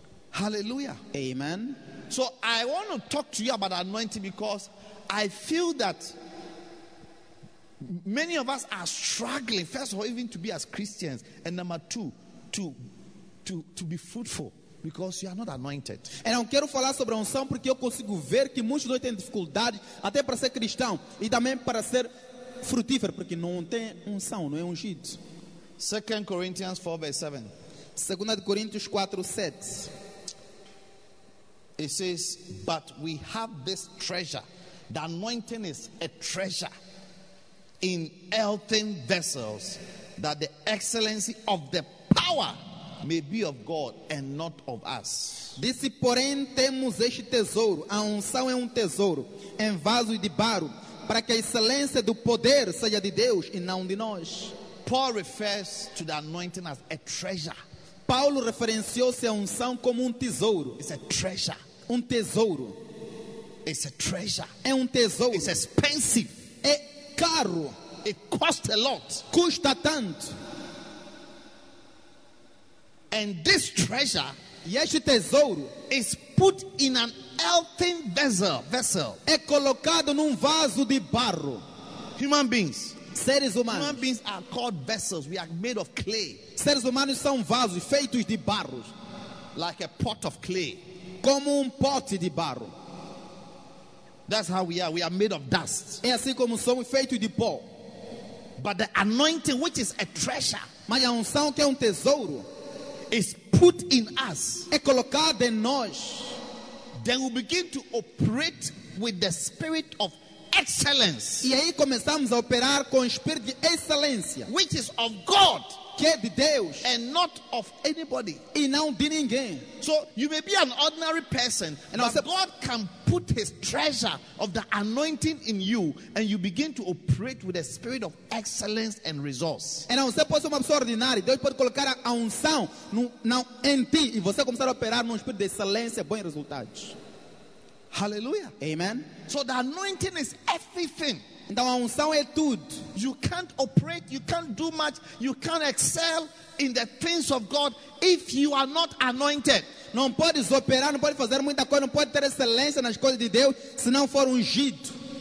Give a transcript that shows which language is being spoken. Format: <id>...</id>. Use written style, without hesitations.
<en>Hallelujah. Amen. So I want to talk to you about anointing because I feel that many of us are struggling, first of all, even to be as Christians, and number two, to be fruitful. Because you are not anointed.</en> <pt>Eu não quero falar sobre a unção porque eu consigo ver que muitos de nós têm dificuldade até para ser cristão e também para ser frutífero porque não tem unção, não é ungido.</pt> <en>2 Coríntios 4, verse 7.</en> <pt>2 Coríntios 4, 7.</pt> <en>It says, but we have this treasure. The anointing is a treasure in earthen vessels that the excellency of the power may be of God and not of us.</en> <pt>Disse, porém, temos este tesouro. A unção é tesouro. Em vaso de barro. Para que a excelência do poder seja de Deus e não de nós.</pt> <en>Paul refers to the anointing as a treasure.</en> <pt>Paulo referenciou-se a unção como tesouro.</pt> <en>It's a treasure.</en> <pt>Tesouro.</pt> <en>It's a treasure.</en> <pt>É tesouro.</pt> <en>It's expensive.</en> <pt>É caro.</pt> <en>It costs a lot.</en> <pt>Custa tanto.</pt> <en>And this treasure,</en> <pt>yes, tesouro,</pt> <en>is put in an earthen vessel.</en> <pt>É colocado num vaso de barro.</pt> <en>Human beings,</en> <pt>seres humanos.</pt> <en>Human beings are called vessels. We are made of clay.</en> <pt>Seres humanos são vasos feitos de barro,</pt> <en>like a pot of clay.</en> <pt>Como pote de barro.</pt> <en>That's how we are. We are made of dust.</en> <pt>É assim como somos feitos de pó.</pt> <en>But the anointing, which is a treasure,</en> <pt>mas a unção que é tesouro.</pt> <en>Is put in us.</en> <pt>É colocado em nós.</pt> <en>Then we begin to operate with the spirit of excellence.</en> <pt>E aí começamos a operar com espírito de excelência.</pt> <en>Which is of God.</en> <pt>Que é de Deus.</pt> <en>And not of anybody.</en> <pt>E não de ninguém.</pt> <en>So you may be an ordinary person, and but God can put his treasure of the anointing in you and you begin to operate with a spirit of excellence and resource.</en> <pt>Então você pode ser uma pessoa ordinária, Deus pode colocar a unção em ti e você começar a operar num espírito de excelência e bons resultados.</pt> <en>Hallelujah. Amen. So the anointing is everything.</en> <pt>Então a unção é tudo.</pt> <en>You can't operate, you can't do much, you can't excel in the things of God if you are not anointed.</en> <pt>Não pode operar, não pode fazer muita coisa, não pode ter excelência nas coisas de Deus se não for ungido.</pt>